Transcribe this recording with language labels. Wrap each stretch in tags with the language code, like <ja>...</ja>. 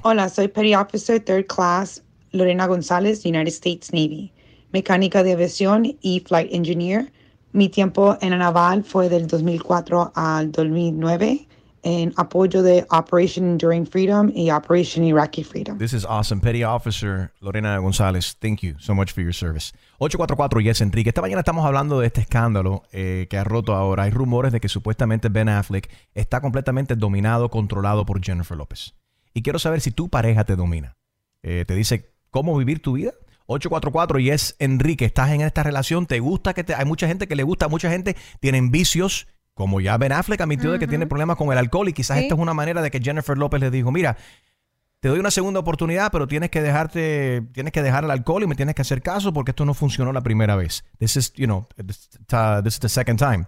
<es>Hola, soy Petty Officer Third Class Lorena González, United States Navy. Mecánica de aviación y flight engineer. Mi tiempo en la naval fue del 2004 al 2009 en apoyo de Operation Enduring Freedom y Operation Iraqi Freedom.</es> <en>This is awesome. Petty Officer Lorena González, thank you so much for your service. 844 Yes Enrique.</en> <es>Esta mañana estamos hablando de este escándalo que ha roto ahora. Hay rumores de que supuestamente Ben Affleck está completamente dominado, controlado por Jennifer López. Y quiero saber si tu pareja te domina. ¿Te dice cómo vivir tu vida? 844 Yes Enrique, estás en esta relación, te gusta que te... Hay mucha gente que le gusta, mucha gente tienen vicios, como ya Ben Affleck admitió de que tiene problemas con el alcohol y quizás esta es una manera de que Jennifer López le dijo, mira, te doy una segunda oportunidad, pero tienes que dejarte, tienes que dejar el alcohol y me tienes que hacer caso porque esto no funcionó la primera vez.</es> <en>This is, you know, this is the second time.</en>